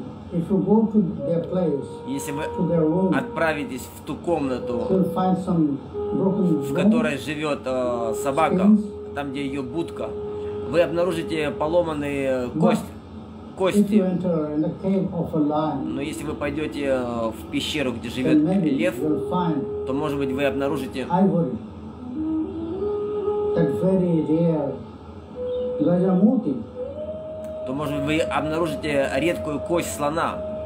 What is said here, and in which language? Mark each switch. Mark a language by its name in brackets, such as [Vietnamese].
[English] If you go to their place, [Russian] если вы [English] to their room, [Russian] отправитесь в ту комнату, [English] find some broken bones, [Russian] в которой живет собака, [English] skins, [Russian] там, где ее будка, вы обнаружите поломанные кости. [English] If you enter in the cave of a lion, [Russian] но если вы пойдете в пещеру, где живет лев, то, может быть, вы обнаружите [English] ivory, that very rare Rajamuti, [Russian] то, может быть, вы обнаружите редкую кость слона,